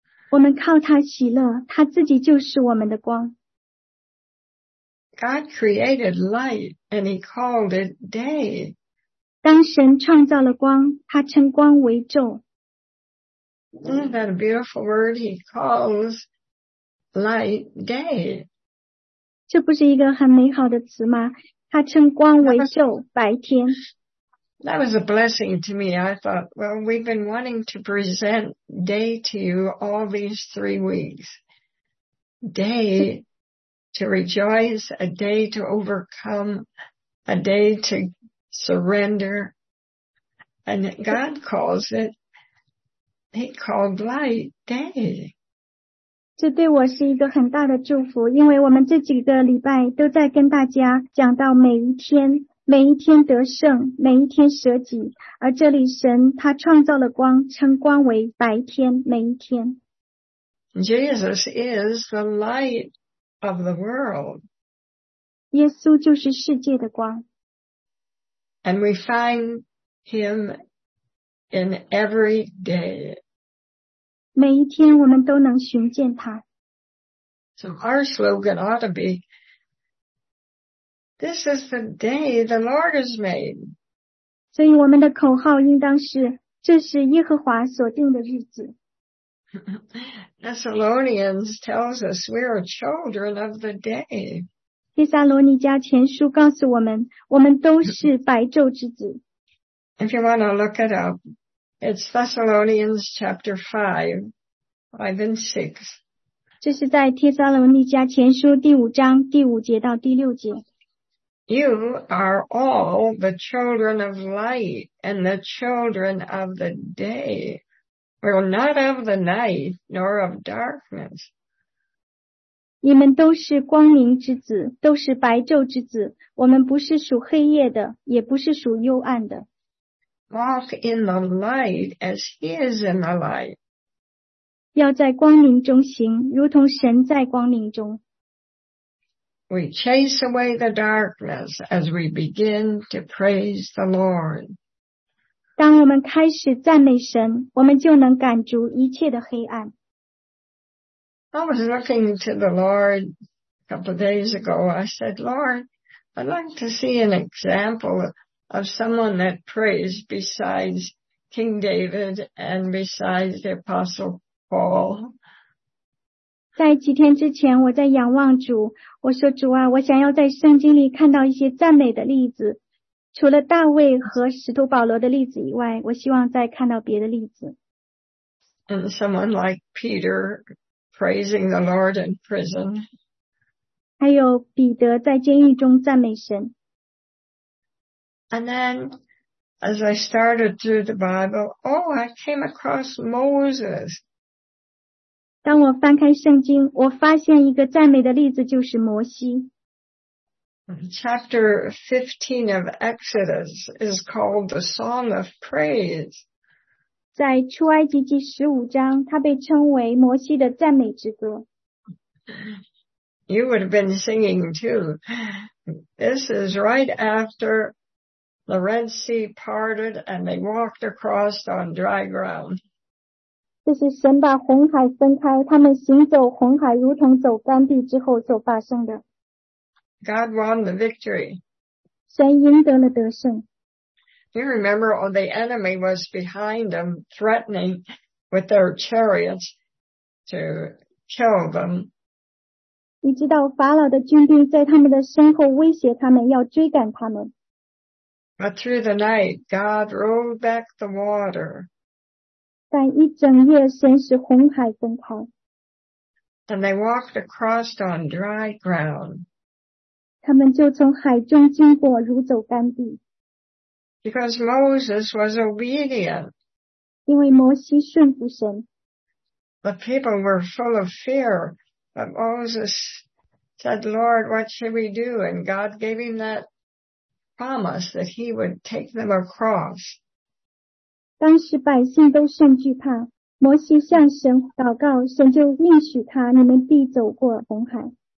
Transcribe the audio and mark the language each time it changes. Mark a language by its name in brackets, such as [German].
[Chinese] 我们靠他喜乐，他自己就是我们的光。 [English] God created light and he called it day. [Chinese] 当神创造了光，他称光为昼。 [English] Isn't that a beautiful word? He calls light day. [Chinese] 这不是一个很美好的词吗？他称光为昼，白天。 [English] That was a blessing to me. I thought, well, we've been wanting to present day to you all these 3 weeks. Day to rejoice, a day to overcome, a day to surrender. And God calls it, he called light day. [Chinese] 这对我是一个很大的祝福，因为我们这几个礼拜都在跟大家讲到每一天。每一天得胜，每一天舍己，而这里神他创造了光，称光为白天，每一天。 [English] Jesus is the light of the world. [Chinese] 耶稣就是世界的光。 [English] And we find him in every day. [Chinese] 每一天我们都能寻见他。 [English] So our slogan ought to be,This is the day the Lord has made. [Chinese] 所以我们的口号应当是，这是耶和华所定的日子。 [English] Thessalonians tells us we are children of the day. [Chinese] 帖撒罗尼迦前书告诉我们，我们都是白昼之子。 [English] If you want to look it up, it's Thessalonians chapter 5 and 6. [Chinese] 这是在帖撒罗尼迦前书第五章第五节到第六节。 [English] You are all the children of light and the children of the day. We are not of the night nor of darkness. [Chinese] 你们都是光明之子，都是白昼之子。我们不是属黑夜的，也不是属幽暗的。 [English] Walk in the light as he is in the light. [Chinese] 要在光明中行，如同神在光明中。 [English] We chase away the darkness as we begin to praise the Lord. [Chinese] 当我们开始赞美神，我们就能赶逐一切的黑暗。 [English] I was looking to the Lord a couple of days ago. I said, Lord, I'd like to see an example of someone that prays besides King David and besides the Apostle Paul. [Chinese] 在几天之前我在仰望主，我说主啊，我想要在圣经里看到一些赞美的例子，除了大卫和使徒保罗的例子以外，我希望再看到别的例子。 [English] And someone like Peter praising the Lord in prison. [Chinese] 还有彼得在监狱中赞美神。 [English] And then as I started through the Bible, oh, I came across Moses. [Chinese] 当我翻开圣经，我发现一个赞美的例子，就是摩西。 [English] Chapter 15 of Exodus is called the Song of Praise. [Chinese] 在出埃及记十五章，它被称为摩西的赞美之歌。 [English] You would have been singing too. This is right after the Red Sea parted and they walked across on dry ground. [Chinese] 这是神把红海分开，他们行走红海如同走干地之后所发生的。 [English] God won the victory. [Chinese] 神赢得了得胜。 [English] You remember, oh, the enemy was behind them, threatening with their chariots to kill them. [Chinese] 你知道法老的军兵在他们的身后威胁他们，要追赶他们。 [English] But through the night, God rolled back the water. [Chinese] 但一整夜神使红海分开。 [English] And they walked across on dry ground. [Chinese] 他们就从海中经过如走干地。 [English] Because Moses was obedient. [Chinese] 因为摩西顺服神。 [English] The people were full of fear, but Moses said, Lord, what should we do? And God gave him that promise that he would take them across. [Chinese] 当时百姓都甚惧怕，摩西向神祷告，神就应许他，你们必走过红海。